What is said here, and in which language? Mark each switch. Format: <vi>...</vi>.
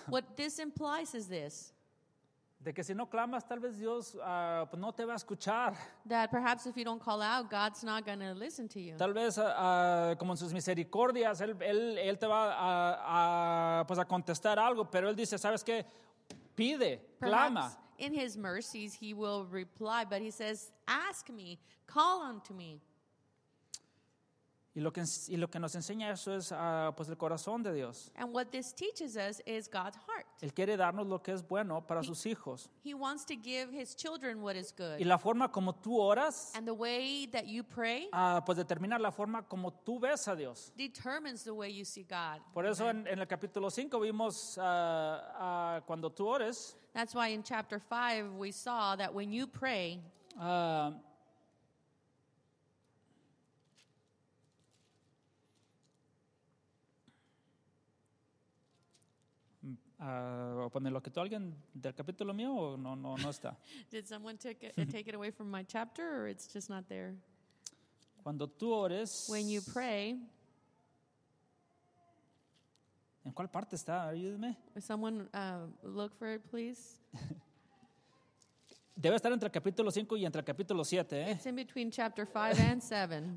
<en>What this implies is this.</en> <es>De que si no clamas, tal vez Dios pues no te va a escuchar.</es> <en>That perhaps if you don't call out, God's not going to listen to you.</en> <es>Tal vez como en sus misericordias, él te va pues a contestar algo, pero él dice, ¿sabes qué? Pide,</es> <en>perhaps</en> <es>clama.</es> <en>In his mercies, he will reply, but he says, ask me, call unto me.</en> <es>Y lo que nos enseña eso es pues el corazón de Dios.</es> <en>And what this teaches us is God's heart.</en> <es>Él quiere darnos lo que es bueno para sus hijos.</es> <en>He wants to give his children what is good.</en> <es>Y la forma como tú oras,</es> <en>and the way that you pray,</en> <es>pues determina la forma como tú ves a Dios.</es> <en>Determines the way you see God.</en> <es>Por eso en el capítulo 5 vimos cuando tú ores.</es> <en>That's why in chapter 5 we saw that when you pray,</en> <es>O ponerlo que tú alguien del capítulo mío o no no no está.</es> <en>Did someone take it away from my chapter or it's just not there?</en> <es>Cuando tú ores.</es> <en>When you pray.</en> <es>¿En cuál parte está? Ayúdame.</es> <en>Someone look for it, please.</en> <es>Debe estar entre el capítulo 5 y entre el capítulo 7. ¿Eh?</es> <en>It's in between chapter 5 and 7.</en>